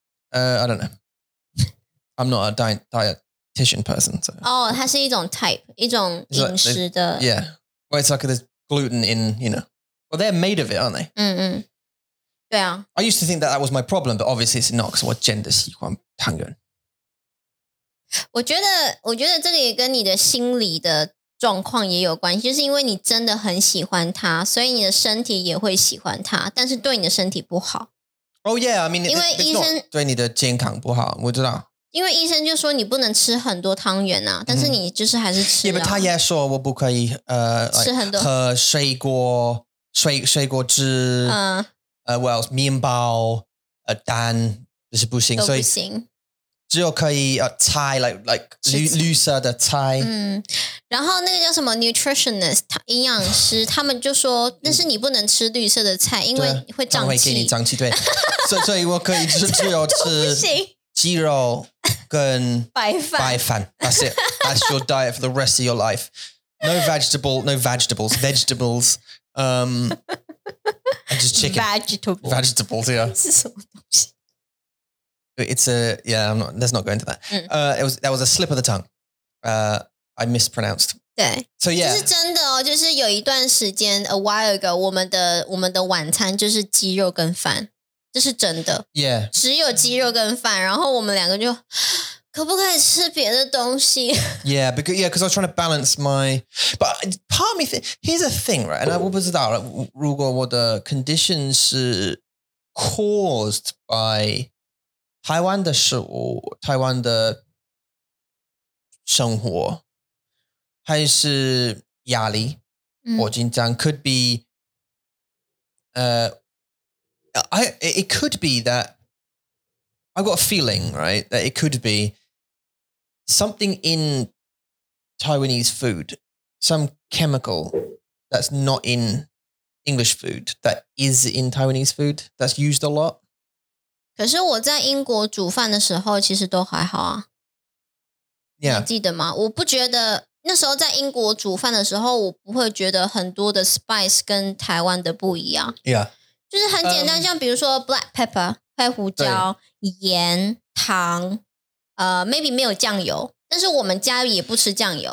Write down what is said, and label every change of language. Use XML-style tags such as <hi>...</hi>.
<en>I don't know. I'm not a dietitian person. So.</en> <zh>Oh, 它是一种 type, 一种饮食的.</zh> <en>Like, yeah. Well, it's like there's gluten in, you know. Well, they're made of it, aren't they?</en> <zh>嗯嗯。对啊。</zh> <en>I used to think that was my problem, but obviously it's not because</en> <zh>我真的喜欢汤圆. 我觉得这个也跟你的心理的状况也有关系, 就是因为你真的很喜欢它, 所以你的身体也会喜欢它, 但是对你的身体不好。</zh> <en>Oh yeah, I mean, it's not</en> <zh>对你的健康不好, 我知道。因为医生就说你不能吃很多汤圆啊，但是你就是还是吃、啊。</zh> <en>Yeah, but</en> <zh>他也说我不可以吃很多喝水果水果汁，well 面包蛋就是不行，都不行，所以只有可以菜 like 绿色的菜。嗯，然后那个叫什么 nutritionist 营养师，他们就说但是你不能吃绿色的菜，因为会胀气，他会给你胀气，对，所以我可以就是只有吃。鸡肉跟白饭</zh> <en>That's it. That's your diet for the rest of your life. No vegetables. And just chicken. Vegetables, yeah.</en> <zh>是什么东西?</zh> <en>Let's not go into that. That was a slip of the tongue. I mispronounced.</en> <zh>对。</zh> <en>So yeah.</en> <zh>这是真的哦，就是有一段时间</zh> <en>a while ago,</en> <zh>我们的晚餐就是鸡肉跟饭。这是真的</zh> <en>yeah.</en> <zh>只有鸡肉跟饭然后我们两个就可不可以吃别的东西</zh> <en>yeah, because, yeah, because I was trying to balance my But part of me Here's a thing, right?</en> <zh>And I, 我不知道 like, 如果我的 condition 是</zh> <en>caused by</en> <zh>台湾的食物台湾的生活还是压力或紧张</zh> <en>could be it could be that I've got a feeling, right, that it could be something in Taiwanese food, some chemical that's not in English food that is in Taiwanese food that's used a lot.</en> <zh>可是我在英国煮饭的时候其实都还好啊。</zh> <en>Yeah.</en> <zh>你记得吗？我不觉得那时候在英国煮饭的时候我不会觉得很多的 spice 跟台湾的不一样。</zh> <en>Yeah.</en> <zh>就是很简单像比如说 black pepper, 黑胡椒盐糖maybe 没有酱油但是我们家也不吃酱油。</zh>